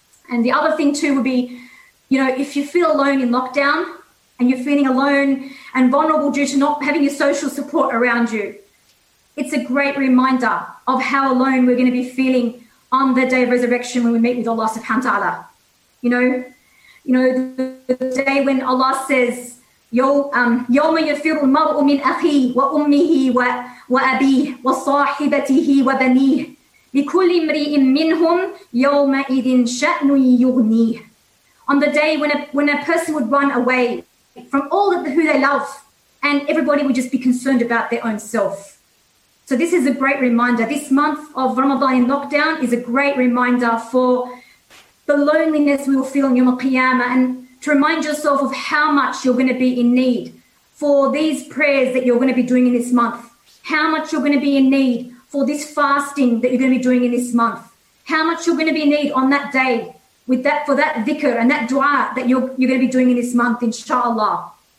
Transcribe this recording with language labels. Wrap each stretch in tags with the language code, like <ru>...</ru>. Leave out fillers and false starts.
<en>And the other thing too would be, you know, if you feel alone in lockdown and you're feeling alone and vulnerable due to not having your social support around you, it's a great reminder of how alone we're going to be feeling on the day of resurrection when we meet with Allah subhanahu wa ta'ala. You know, the day when Allah says,</en> <ar>يَوْمَ يَفِرُ الْمَرْءُ مِنْ أَخِيهِ وَأُمِّهِ وَأَبِيهِ وَصَاحِبَتِهِ وَبَنِيهِ لِكُلِّ امْرِئٍ مِّنْهُمْ يَوْمَئِذٍ شَأْنٌ يُغْنِيهِ.</ar> <en>On the day when a person would run away from all of who they love, and everybody would just be concerned about their own self. So this is a great reminder. This month of Ramadan in lockdown is a great reminder for the loneliness we will feel in Yom Qiyamah, and to remind yourself of how much you're going to be in need for these prayers that you're going to be doing in this month, how much you're going to be in need for this fasting that you're going to be doing in this month, how much you're going to be in need on that day with that, for that dhikr and that dua that you're going to be doing in this month, inshallah.</en>